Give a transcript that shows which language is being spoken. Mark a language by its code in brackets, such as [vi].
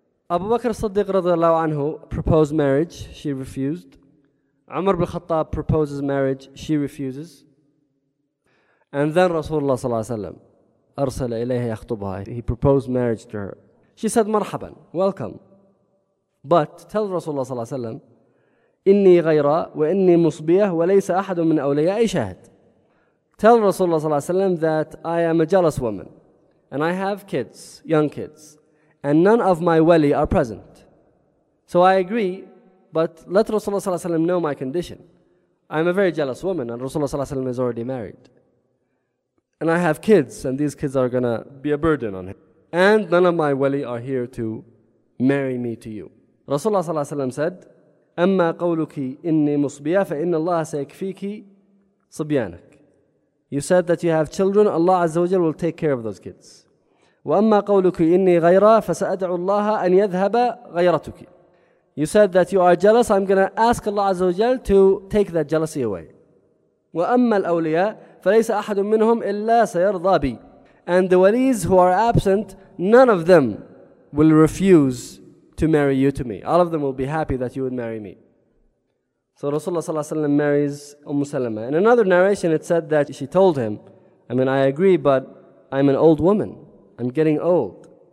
[en] Abu Bakr Siddiq radiallahu anhu proposed marriage. She refused. Umar bin Khattab proposes marriage. She refuses. And then Rasulullah sallallahu alayhi wa sallam. [ar] أرسل إليها يخطبها. [en] He proposed marriage to her. She said مرحبا, welcome. But tell [ar] رسول الله صلى الله عليه وسلم إني غيراء وإني مصبية وليس أحد من أولياء شاهد. [en] Tell [ar] رسول الله صلى الله عليه وسلم [en] that I am a jealous woman and I have kids, young kids, and none of my wali are present. So I agree, but let [ar] رسول الله صلى الله عليه وسلم [en] know my condition. I'm a very jealous woman and [ar] رسول الله صلى الله عليه وسلم [en] is already married. And I have kids and these kids are going to be a burden on him. And none of my wali are here to marry me to you. [ar] رسول الله صلى الله عليه وسلم [en] said, [ar] أما قولك إني مصبية فإن الله سيكفيك صبيانك. [en] You said that you have children, Allah عز وجل will take care of those kids. [ar] وأما قولك إني غيرة فسأدعو الله أن يذهب غيرتك. [en] You said that you are jealous, I'm going to ask Allah عز وجل to take that jealousy away. [ar] وأما الأولياء فليس أحد منهم إلا سيرضى بي. [en] And the walis who are absent, none of them will refuse to marry you to me. All of them will be happy that you would marry me. So Rasulullah sallallahu alayhi wa sallam marries Umm Salama. In another narration it said that she told him, I mean, I agree, but I'm an old woman. I'm getting old.